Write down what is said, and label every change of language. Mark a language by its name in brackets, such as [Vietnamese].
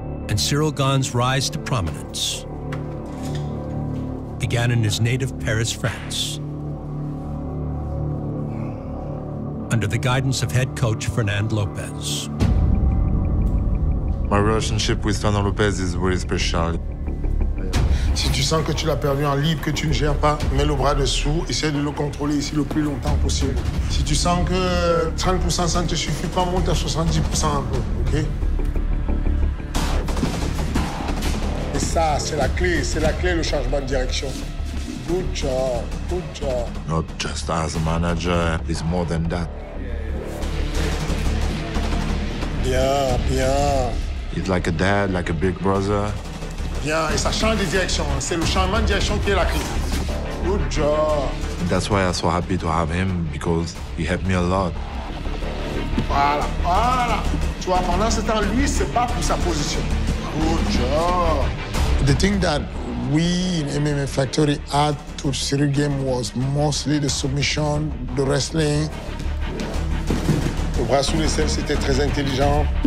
[English] And Cyril Gane's rise to prominence began in his native Paris, France, under the guidance of head coach Fernand Lopez. My relationship with Fernand Lopez is very special. [French] Si tu sens que tu l'as perdu en libre, que tu ne gères pas, mets le bras dessous, essaie de le contrôler ici le plus longtemps possible. Si tu sens que 30% ça ne te suffit pas, monte à 70% un peu, ok? Et ça, c'est la clé, le changement de direction. [English] Good job. Not just as a manager, it's more than that. [French] Bien. [English] He's like a dad, like a big brother. [French] Yeah, et ça change de direction. C'est le changement de direction qui est la crise. [English] Good job. That's why I'm so happy to have him, because he helped me a lot. [French] Voilà, voilà. Tu vois, pendant ce temps, lui, se bat pour sa position. [English] Good job. The thing that we in MMA Factory add to the series game was mostly the submission, the wrestling. [French] Le bras sous les selles, c'était très intelligent.